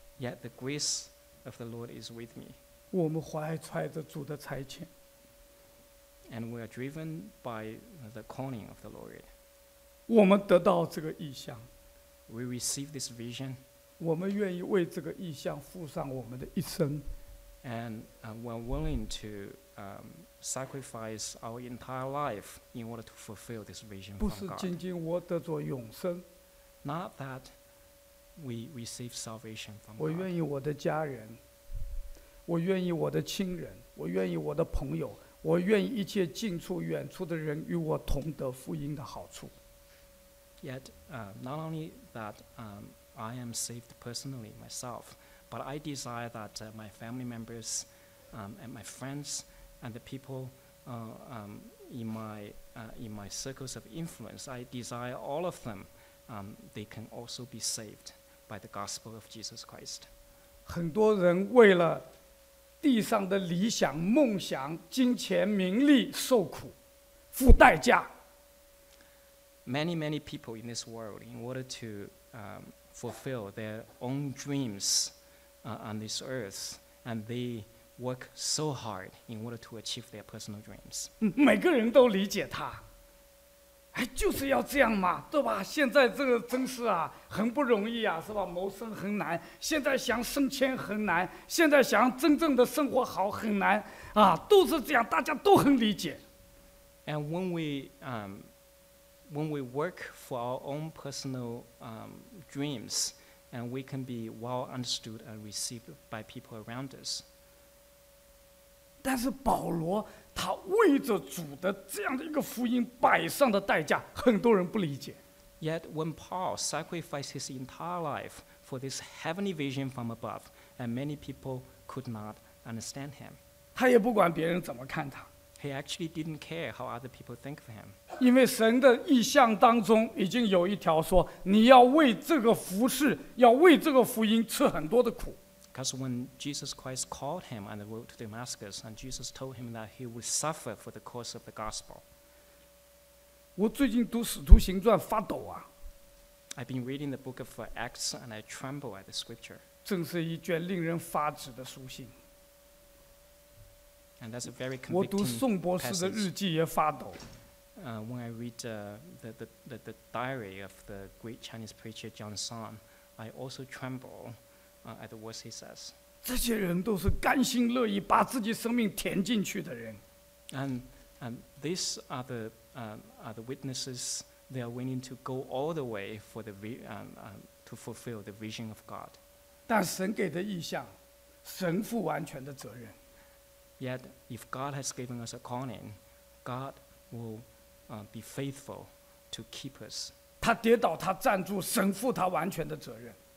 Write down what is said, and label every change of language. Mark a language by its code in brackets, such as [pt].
[en] Yet the grace of the Lord is with me. [zh] 我们怀揣着主的差遣。 [en] And we are driven by the calling of the Lord. [zh] 我们得到这个意象。 [en] We receive this vision. [zh] 我们愿意为这个意象付上我们的一生。 [en] And we're willing to sacrifice our entire life in order to fulfill this vision from God. [zh] 不是仅仅我得着永生。 [en] Not that we receive salvation from God. [zh] 我愿意我的家人，我愿意我的亲人，我愿意我的朋友。我愿意一切近处远处的人与我同得福音的好处。 [en] Yet, not only that I am saved personally myself, but I desire that my family members and my friends and the people in my circles of influence, I desire all of them, they can also be saved by the gospel of Jesus Christ. [zh] 很多人为了地上的理想、梦想、金钱、名利，受苦，付代价。 [en] Many, many people in this world, in order to fulfill their own dreams on this earth, and they work so hard in order to achieve their personal dreams. [zh] 每个人都理解他，哎，就是要这样嘛，对吧？现在这个真是啊，很不容易啊，是吧？谋生很难，现在想升迁很难，现在想真正的生活好很难啊，都是这样，大家都很理解。 [en] And when we work for our own personal dreams, and we can be well understood and received by people around us. [zh] 但是保罗。他为着主的这样的一个福音摆上的代价，很多人不理解。 [en] Yet when Paul sacrificed his entire life for this heavenly vision from above, and many people could not understand him. [zh] 他也不管别人怎么看他。 [en] He actually didn't care how other people think of him. [zh] 因为神的意象当中已经有一条说，你要为这个服事，要为这个福音吃很多的苦。 [en] Because when Jesus Christ called him on the road to Damascus, and Jesus told him that he would suffer for the cause of the gospel. [zh] 我最近读《使徒行传》发抖啊。 [en] I've been reading the book of Acts, and I tremble at the scripture. [zh] 正是一卷令人发指的书信。 [en] And that's a very convicting passage. [zh] 我读宋博士的日记也发抖。 [en] When I read the diary of the great Chinese preacher John Song, I also tremble. At the words he says, [zh] 这些人都是甘心乐意把自己生命填进去的人。 [en] And these are the witnesses. They are willing to go all the way for the to fulfill the vision of God. [zh] 但神给的意象，神负完全的责任。 [en] Yet if God has given us a calling, God will be faithful to keep us. [zh] 他跌倒，他站住，神负他完全的责任。